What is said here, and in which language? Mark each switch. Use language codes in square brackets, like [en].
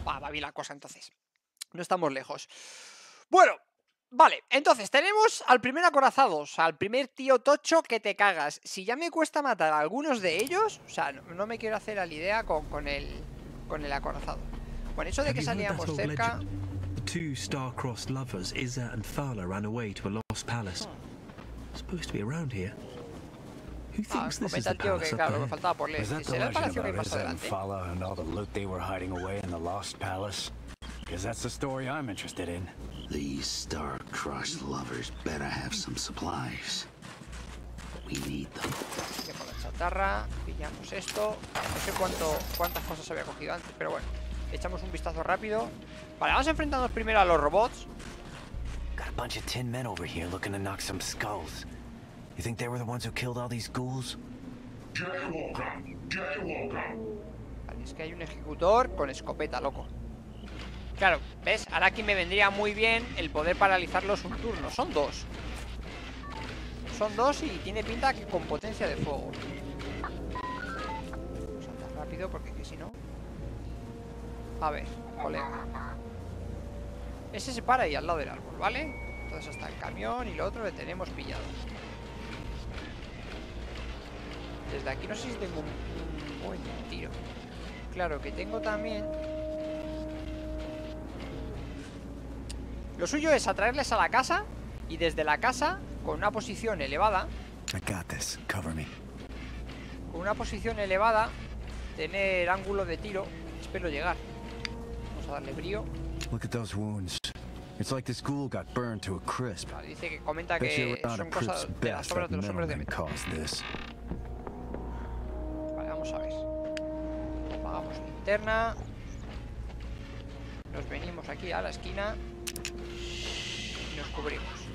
[es] Va bien la cosa, entonces. No estamos lejos. Bueno, vale, entonces tenemos al primer acorazado. O sea, al primer tío tocho que te cagas. Si ya me cuesta matar a algunos de ellos. O sea, no me quiero hacer a la idea con el acorazado. Bueno, eso de que salíamos cerca. [en] The two star-crossed lovers, Izzah and Thala, ran away to a lost palace. Supposed to be around here. Who thinks this is the palace? [es] Comenta, tío, que claro, me faltaba por leer. ¿Será el palacio que hay más adelante? [en] Thala and all the loot they were hiding away in the lost palace. Because that's the story I'm interested in. These star-crossed lovers better have some supplies. We need them. [es] Dejo la chatarra, pillamos esto. No sé cuántas cosas había cogido antes, pero bueno. Echamos un vistazo rápido. Vale, vamos a enfrentarnos primero a los robots. [en] Got a bunch of tin men over here looking to knock some skulls. You think they were the ones who killed all these ghouls? [es] Vale, es que hay un ejecutor con escopeta, loco. Claro, ¿ves? Ahora aquí me vendría muy bien el poder paralizarlos un turno. Son dos. Son dos y tiene pinta que con potencia de fuego. Vamos a andar rápido porque que si no. A ver, colega. Ese se para ahí al lado del árbol, ¿vale? Entonces hasta el camión y lo otro le tenemos pillado. Desde aquí no sé si tengo un buen tiro. Claro que tengo también. Lo suyo es atraerles a la casa y desde la casa, con una posición elevada. [en] I got this. Cover me. [es] Con una posición elevada, tener ángulo de tiro. Espero llegar. Darle brío. [en] Look at those wounds. It's like this ghoul got burned to a crisp. [es] Vale, dice que comenta que son cosas de las obras de los hombres de metal. Vale, vamos a ver. Apagamos la linterna. Nos venimos aquí a la esquina y nos cubrimos.